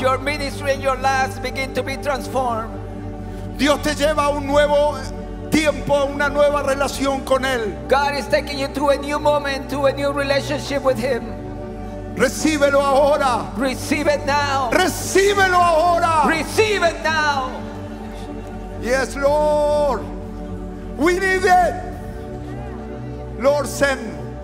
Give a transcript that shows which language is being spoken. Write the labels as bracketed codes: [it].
[en] Your ministry and your lives begin to be transformed. [es] Dios te lleva a un nuevo tiempo, a una nueva relación con Él. [en] God is taking you to a new moment, to a new relationship with Him. [es] Recíbelo ahora. [en] Receive it now. [es] Recíbelo ahora. [en] Receive it now. Yes, Lord. We need it. Lord, send.